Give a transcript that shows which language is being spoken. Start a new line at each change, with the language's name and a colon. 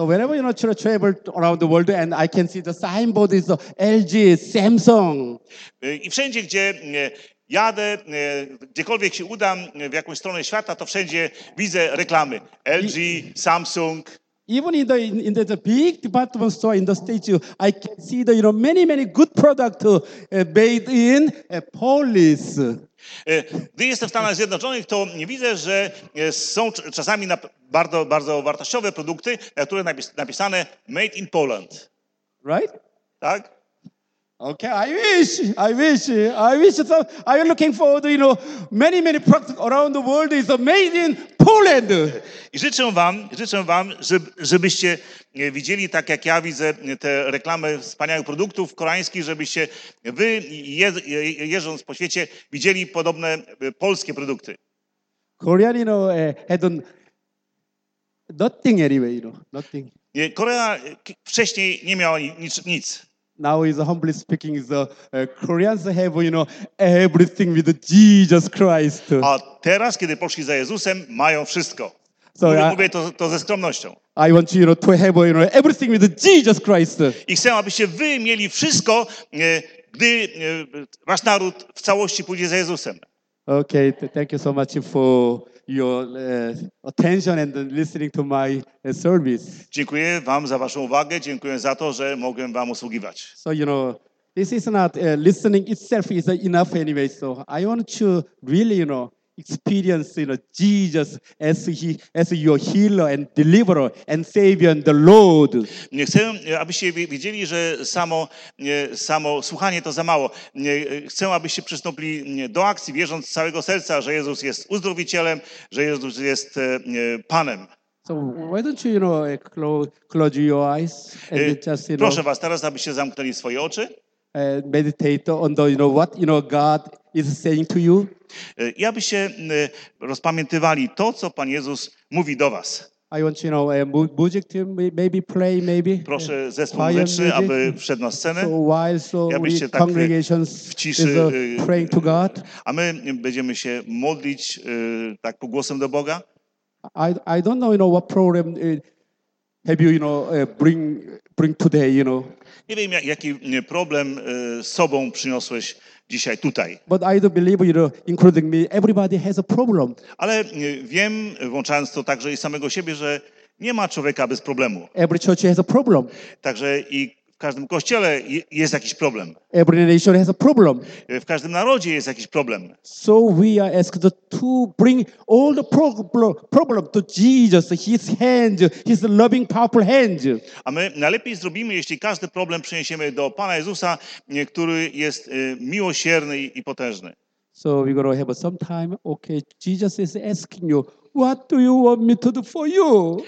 English: So whenever you know, travel around the world and I can see the signboard is LG, Samsung.
Polish: I wszędzie, gdzie jadę, gdziekolwiek się udam w jakąś stronę świata, to wszędzie widzę reklamy.
English: LG, Samsung. Even in the big department store in the States, I can see the, you know, many, many good products made in Polish.
Polish: Gdy jestem w Stanach Zjednoczonych, to nie widzę, że są czasami bardzo, bardzo wartościowe produkty, na które napisane made in Poland.
English: Right?
Polish: Tak?
English: Okay, I wish. So I am looking forward, you know, many, many products around the world is made in Poland.
Polish: I życzę wam, żebyście widzieli, tak jak ja widzę te reklamy wspaniałych produktów koreańskich, żebyście wy, jeżdżąc po świecie, widzieli podobne polskie produkty.
English: Korean, you know, had nothing anyway, you know, nothing.
Polish: Korea wcześniej nie miała nic.
English: Now is humbly speaking, is Koreans have, you know, everything with Jesus Christ.
Polish: A teraz, kiedy poszli za Jezusem, mają wszystko. So mówię to ze skromnością.
English: I want you, you know, to have, you know, everything with Jesus Christ.
Polish: I chcę, abyście wy mieli wszystko, gdy wasz naród w całości pójdzie za Jezusem.
English: Okay, thank you so much for your attention and listening to my service.
Polish: Dziękuję wam za waszą uwagę, dziękuję za to, że mogłem wam usługiwać.
English: So you know, this is not listening itself is enough anyway. So I want to really, you know, experience, you know, Jesus as your healer and deliverer and savior and the Lord.
Polish: Nie chcę, abyście wiedzieli, że samo słuchanie to za mało. Chcę, abyście przystąpili do akcji, wierząc z całego serca, że Jezus jest uzdrowicielem, że Jezus jest Panem.
English: So why don't you, you know, close your eyes and just, you know,
Polish: proszę was teraz, abyście zamknęli swoje oczy.
English: Meditate on the, you know, what, you know, God is saying to you.
Polish: I abyście rozpamiętywali to, co Pan Jezus mówi do was.
English: I want, you know, music to maybe play, maybe.
Polish: Proszę zespół muzyczny, aby wszedł na scenę.
English: So while so I
Polish: abyście tak
English: congregations
Polish: w ciszy,
English: is, praying to God.
Polish: A my będziemy się modlić tak półgłosem do Boga.
English: I don't know, you know, what problem have you, you know, bring today, you know.
Polish: Nie wiem, jaki problem sobą przyniosłeś dzisiaj tutaj.
English: But I do believe, you know, including me, everybody has a problem.
Polish: Ale wiem, włączając to także i samego siebie, że nie ma człowieka bez problemu.
English: Every church has a problem.
Polish: Także i w każdym kościele jest jakiś problem.
English: Every nation has a problem.
Polish: W każdym narodzie jest jakiś problem.
English: So we are asked to bring all the problem to Jesus, his hand, his loving, powerful hand.
Polish: A my najlepiej zrobimy, jeśli każdy problem przeniesiemy do Pana Jezusa, który jest miłosierny i potężny.
English: So we're going to have some time. Okay, Jesus is asking you, what do you want me to do for you?